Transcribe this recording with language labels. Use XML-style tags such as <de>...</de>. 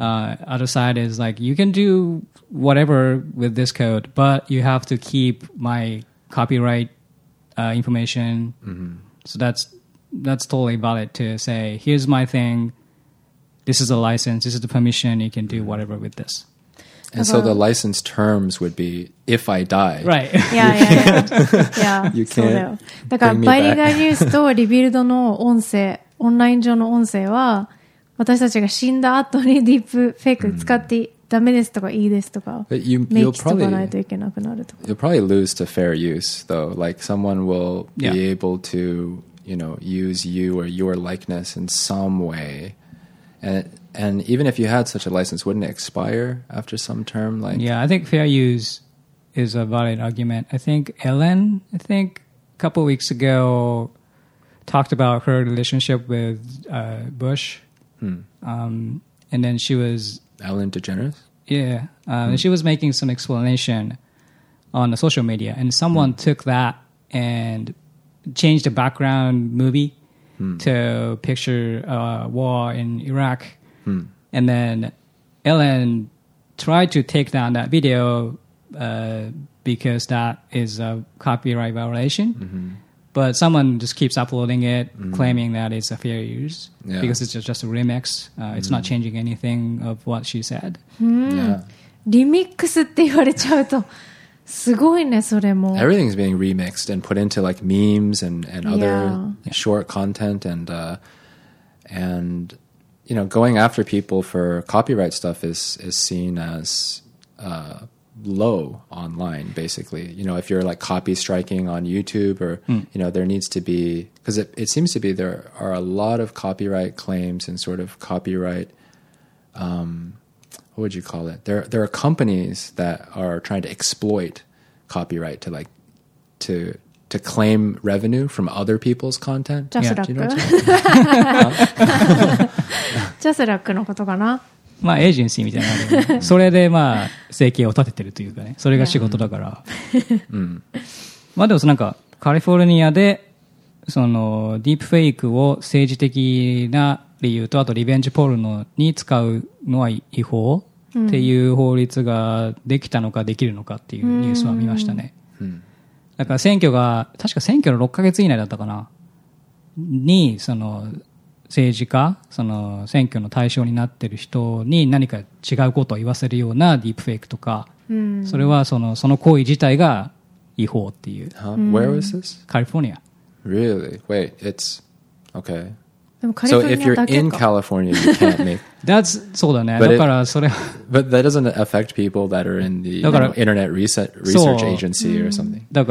<en>Other side is like, you can do whatever with this code, but you have to keep my copyright information. Mm-hmm. So that's totally valid to say, here's my thing, this is a license, this is the permission, you can do whatever with this. And so the license terms would be, if I die. Right. Yeah. You can't bring me back.</en> <ja>だから、バイリンガルニュースとリビルドの音声、オンライン上の音声は、私たちが死んだ後にディープフェイク使ってダメですとかいいですとか、明記とかないといけなくなるとか。</ja> <en>You'll probably lose to fair use, though. Like, someone will be able to, you know, use you or your likeness in some way. And even if you had such a license, wouldn't it expire after some term? Like, yeah, I think fair use is a valid argument. I think Ellen, I think a couple of weeks ago, talked about her relationship with Bush. Hmm. And then she was... Ellen DeGeneres? Yeah. And she was making some explanation on the social media. And someone took that and changed the background movie to picture a war in Iraq. And then Ellen tried to take down that video because that is a copyright violation. Mm-hmm. But someone just keeps uploading it, claiming that it's a fair use because it's just a remix. It's not changing anything of what she said.</en> <ja>リミックスって言われちゃうとすごいね、それも。</ja> <en>Everything's being remixed and put into like memes and other short content and you know, going after people for copyright stuff is seen as low online, basically. You know, if you're like copy striking on YouTube or, you know, there needs to be, because it seems to be there are a lot of copyright claims and sort of copyright, what would you call it? There are companies that are trying to exploit copyright to like, to claim revenue from other people's content.</en> <ja>ジャスラックのことかな? まあ、 エージェンシーみたいなので、それでまあ、生計を立ててるというかね、それが仕事だから。まあ、でもなんかカリフォルニアでそのディープフェイクを政治的な理由とあとリベンジポルノに使うのは違法っていう法律ができたのかできるのかっていうニュースは見ましたね。だから選挙が確か選挙の 6ヶ月以内だったかなにその 政治家、その選挙の対象になってる人に何か違うことを言わせるようなディープフェイクとか、それはその行為自体が違法っていう。</ja> <en>Where is this? California. Really? Wait, it's okay. So if you're in California, you can't make. That's</en> <ja>そうだね。だからそれは。</ja> <en>But that doesn't affect people that are in the internet research agency or something.</en>